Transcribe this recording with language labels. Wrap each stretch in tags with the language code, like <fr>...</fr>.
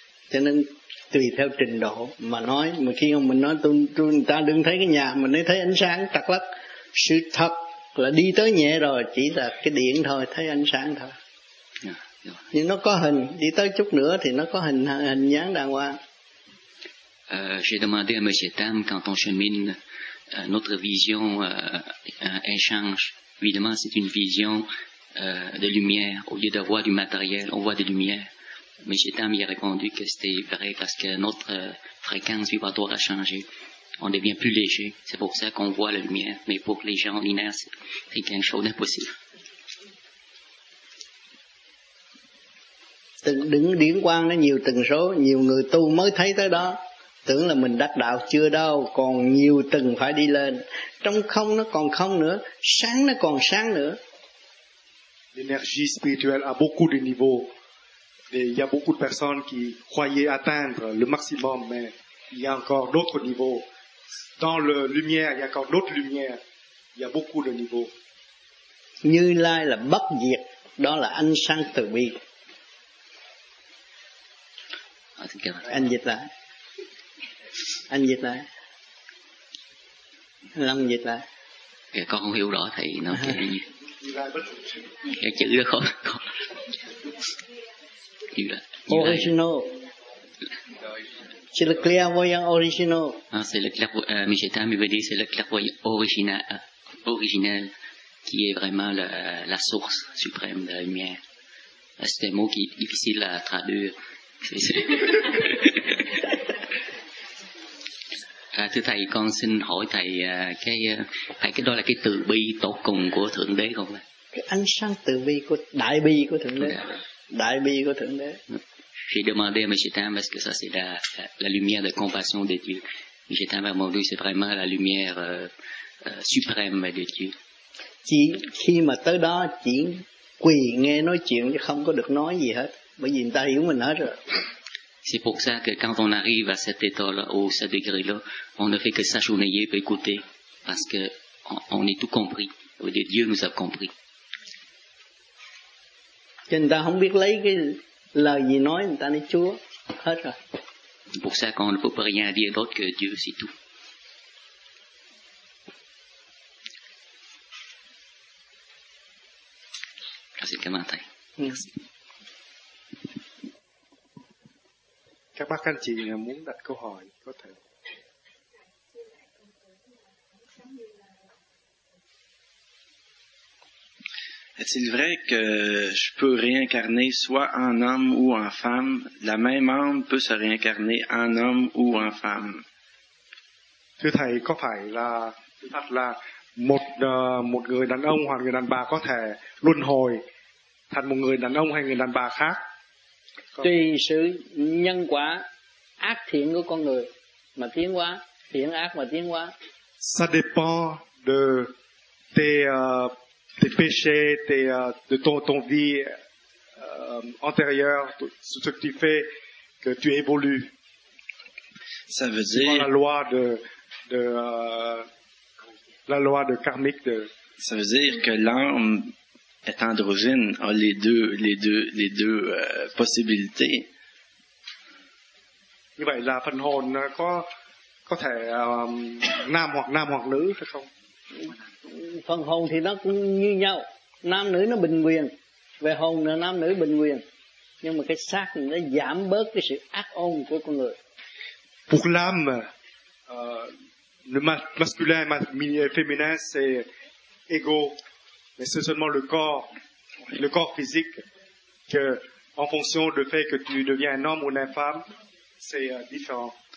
<vi>Cho nên tùy theo trình độ mà nói, mà khi mình nói người ta đừng thấy cái nhà, mình mới thấy ánh sáng tắt lắc. Sự thật là đi tới nhẹ rồi, chỉ là cái điện thôi, thấy ánh sáng thôi. Nhưng nó có hình, đi tới chút nữa thì nó có hình dáng đàng hoàng.</vi> <fr>J'ai demandé à Monsieur Tam quand on chemine notre vision échange. Évidemment, c'est une vision de lumière. Au lieu d'avoir du matériel, on voit des lumières. Monsieur Tam y a répondu que c'était vrai parce que notre fréquence vibratoire a changé. On devient plus léger. C'est pour ça qu'on voit la lumière. Mais pour les gens ordinaires, c'est quelque chose d'impossible.</fr> <vi>Đứng điển quang nó nhiều tần số, nhiều người tu mới thấy tới đó. Tưởng là mình đắc đạo chưa đâu, còn nhiều tầng phải đi lên. Trong không nó còn không nữa, sáng nó còn sáng nữa.</vi> <fr>L'énergie spirituelle a beaucoup de niveaux. Et il y a beaucoup de personnes qui croyaient atteindre le maximum, mais il y a encore d'autres niveaux. Dans la lumière, il y a encore d'autres lumières. Il y a beaucoup de niveaux.</fr> <vi>Như Lai là bất diệt, đó là ánh sáng từ bi. Anh dịch lại. Anh dịch lại. Lâm dịch lại. Dạ, con không hiểu rõ thầy nói cái gì. Cái chữ đó khó.</vi> <fr>Original. C'est le clairvoyant original. Ah, c'est le clairvoyant. Michetam, il veut dire c'est le clairvoyant originel qui est vraiment la source suprême de la lumière. C'est un mot qui est difficile à traduire.</fr> <vi>Thưa thầy, con xin hỏi thầy cái đó là cái từ bi tổ cùng của thượng đế không? Cái ánh sáng từ bi của đại bi của thượng đế. Đại bi của thượng đế.</vi> <fr>J'ai demandé à Michetam parce que ça c'est la lumière de compassion de Dieu. Michetam m'a demandé c'est vraiment la lumière suprême de Dieu.</fr> <vi>Chỉ khi mà tới đó chỉ quỳ nghe nói chuyện chứ không có được nói gì hết. Bởi vì người ta hiểu mình hết rồi.</vi> <fr>C'est pour ça que quand on arrive à cet état-là, au cet degré-là, on ne fait que s'achouiller pour écouter, parce que on est tout compris. Dieu nous a compris. C'est pour ça qu'on ne peut pas rien dire d'autre que Dieu, c'est tout. Merci le commentaire. Merci.</fr> <vi>Các bác anh chị muốn đặt câu hỏi có thể.</vi> <fr>Est-il vrai que je peux réincarner soit en homme ou en femme? La même âme peut se réincarner en homme ou en femme?</fr> <vi>Thưa thầy, có phải là thật là một người đàn ông hoặc người đàn bà có thể luân hồi thành một người đàn ông hay người đàn bà khác? Tùy sự nhân quả ác thiện của con người mà tiến hóa, thiện ác mà tiến hóa.</vi> <fr>Ça dépend de tes péchés, de ton vie antérieure, ce que tu fais, que tu évolues. Ça veut dire la loi de karmique de. Ça veut dire que l'âme est androgyne, a les deux possibilités.</fr> <vi>Như vậy là phần hồn có thể nam hoặc nữ hay không? Phần hồn thì nó cũng như nhau, nam nữ nó bình quyền. Về hồn là nam nữ bình quyền, nhưng mà cái xác nó giảm bớt cái sự ác ôn của con người.</vi> <fr>Pour l'âme, le masculin et le féminin c'est égaux. Mais c'est seulement le corps physique, que en fonction du fait que tu deviens un homme ou une femme, c'est différent.</fr>